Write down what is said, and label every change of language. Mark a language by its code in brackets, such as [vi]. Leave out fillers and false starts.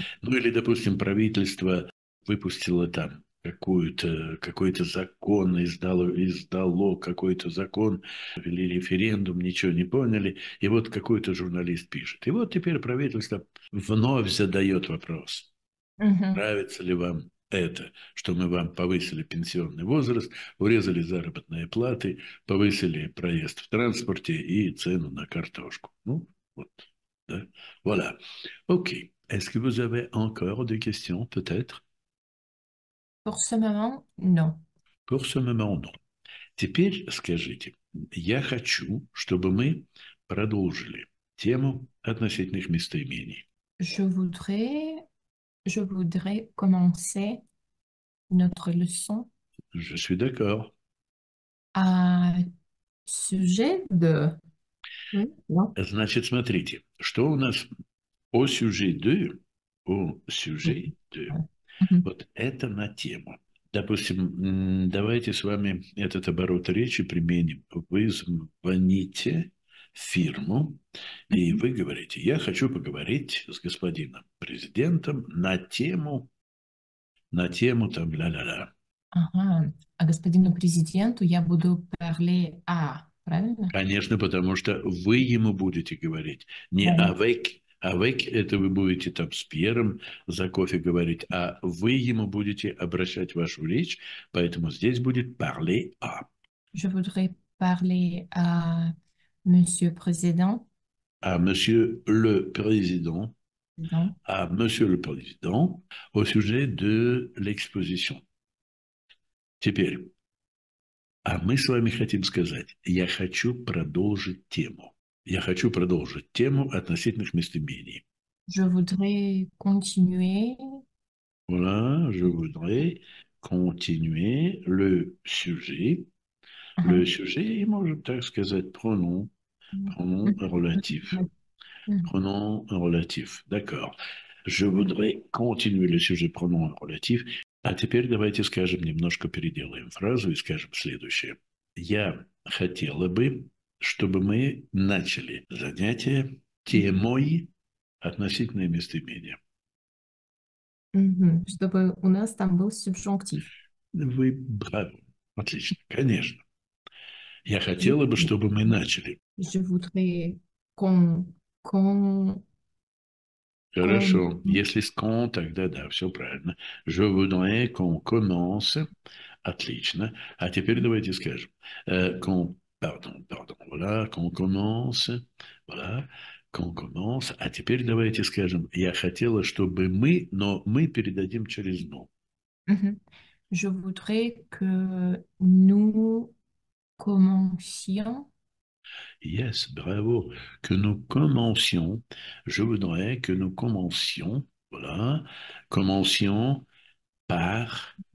[ru] Ну или, допустим, правительство выпустило там какой-то закон, издало какой-то закон, ввели референдум, ничего не поняли, и вот какой-то журналист пишет. И вот теперь правительство вновь задает вопрос, нравится ли вам это, что мы вам повысили пенсионный возраст, урезали заработные платы, повысили проезд в транспорте и цену на картошку. Ну, вот, да, [fr] voilà. Окей. Okay. Est-ce que vous avez encore des questions, peut-être? Pour ce moment, non. Pour ce moment, non. [ru] Теперь скажите, я хочу, чтобы мы продолжили тему относительных местоимений. [fr] Je voudrais commencer notre leçon Je suis d'accord. à sujet de... Oui, non. [ru] Значит, смотрите, что у нас [fr] au sujet de, au sujet de. [ru] Вот это на тему. Допустим, давайте с вами этот оборот речи применим. Вы звоните в фирму, и вы говорите, я хочу поговорить с господином президентом на тему там ля-ля-ля. А господину президенту я буду [fr] parler à, [ru] правильно? Конечно, потому что вы ему будете говорить не Да. [fr] avec, avec [ru] это вы будете там с Пьером за кофе говорить, а вы ему будете обращать вашу речь, поэтому здесь будет [fr] parler à. Je voudrais parler à monsieur président. À monsieur le président, Président. à monsieur le président, au sujet de l'exposition. [ru] Теперь. А мы с вами хотим сказать, я хочу продолжить тему. Я хочу продолжить тему относительных местоимений. [fr] Je voudrais continuer. Voilà, je voudrais continuer le sujet. Le sujet, [ru] можно так сказать, [fr] pronom, pronom relatif. Pronom relatif, d'accord. Je voudrais continuer le sujet pronom relatif. [ru] А теперь давайте скажем, немножко переделаем фразу и скажем следующее. Я хотела бы, чтобы мы начали занятие темой относительное местоимение. Чтобы у нас там был субжонктив. Вы браво. Отлично, конечно. Я хотела бы, чтобы мы начали. [fr] Je voudrais qu'on [ru] Хорошо. Если с «кон», тогда да, все правильно. [fr] Je voudrais qu'on commence. [ru] Отлично. А теперь давайте скажем. [fr] Qu'on, pardon, pardon. Voilà, qu'on commence. Voilà, qu'on commence. [ru] А теперь давайте скажем. Я хотела, чтобы мы, но мы передадим через «но». [fr] Je voudrais que nous commencions. Yes, bravo. Que nous commencions. Je voudrais que nous commencions. Voilà. Commencions par.